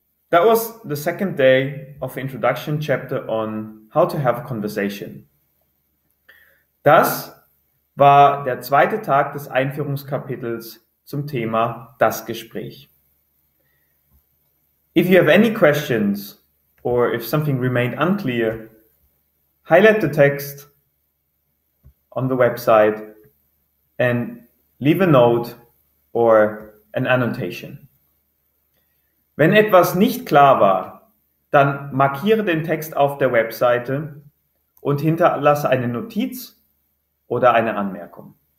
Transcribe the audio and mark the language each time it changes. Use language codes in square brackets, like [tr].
[en] That was the second day of introduction chapter on how to have a conversation. [de] Das war der zweite Tag des Einführungskapitels zum Thema das Gespräch. [en] If you have any questions or if something remained unclear, highlight the text on the website and leave a note or an annotation. [de] Wenn etwas nicht klar war, dann markiere den Text auf der Webseite und hinterlasse eine Notiz oder eine Anmerkung.